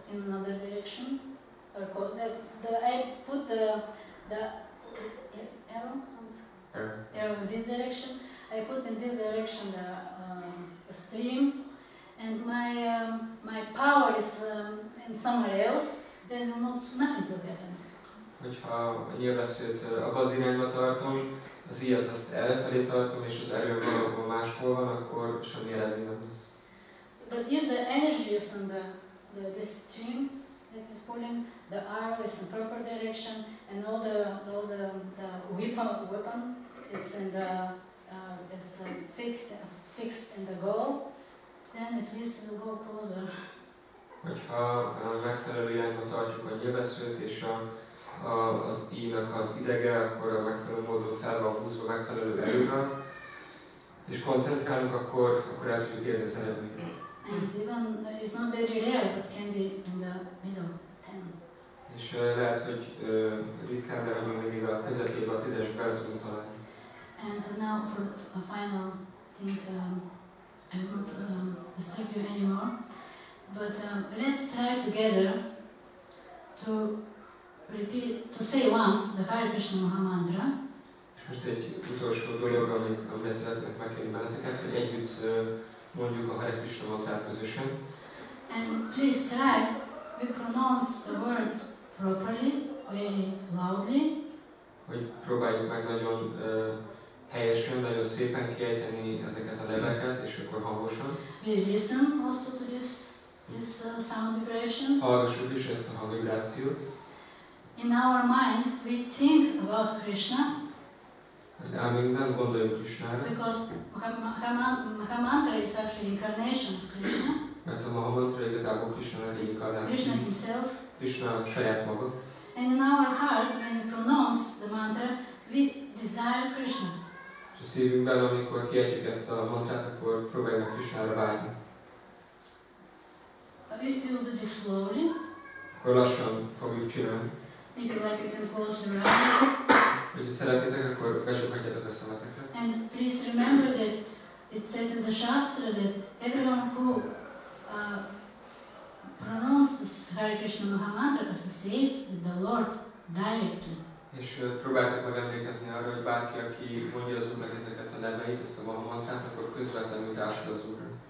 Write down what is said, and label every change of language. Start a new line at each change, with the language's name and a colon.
English: in another direction, or call the arrow in this direction. I put in this direction the stream, and my power is in somewhere else. Then nothing will happen.
Hungarian: Hogyha a nyilvesszőt abba az irányba tartom, az íjat azt elfelé tartom, és az erőm valahol máshol van, akkor semmi eredmény nem lesz.
English: But if the energy is on the stream that is pulling, the arrow is in proper direction, and all the weapon it's in the fixed in the goal, then at least it will go closer.
Hungarian: Hogyha megfelelő irányba tartjuk a nyilvesszőt és az íjnak az idege, akkor a megfelelő módon fel van húzva megfelelő erővel, és koncentrálunk, akkor el tudjuk érni az eredményt.
English: And even it's not very rare, but can be in the middle 10.
Hungarian: És lehet, hogy ritkán, de hogy mindig a közepébe a tízes be tudunk találni.
English: And now for a final thing, I won't disturb you anymore. But let's try together to repeat, to say once the Hare Krishna Maha Mantra.
Hungarian: És most egy utolsó dolog, amire szeretnék megkérni benneteket, hogy együtt mondjuk a Hare Krishna mantrát közösen.
English: And please try, we pronounce the words properly, very loudly.
Hungarian: Hogy próbáljuk meg nagyon helyesen, nagyon szépen kiejteni ezeket a neveket, és akkor hangosan.
English: We listen also to this sound vibration.
Hungarian: Hallgassuk is ezt a hangvibrációt.
English: In our mind, we think about Krishna.
Hungarian: Az elménkben gondoljuk Krishnára.
English: Because Maha Mantra is actually incarnation of Krishna.
Hungarian: Mert a Maha Mantra igazából Krishna egy inkarnáció.
English: Krishna himself.
Hungarian: Krishna saját maga.
English: And in our heart, when we pronounce the mantra, we desire Krishna.
Hungarian: És a szívünkben, amikor kiejtjük ezt a mantrát, akkor próbáljuk Krishnára vágyni.
English: We feel that it's slowly.
Hungarian: Akkor lassan fogjuk csinálni.
English: If you like, you can close your eyes.
Hungarian: Hogyha szeretnétek, akkor becsukhatjátok a szemeteket.
English: And please remember that it's said in the Shastra that everyone who pronounces Hare Krishna Maha Mantra associates with the Lord directly.
Hungarian: És próbáltok meg emlékezni arra, hogy bárki, aki mondja az Úrnak ezeket a neveit, ezt a Maha Mantrát, akkor közvetlenül társul az Úrra.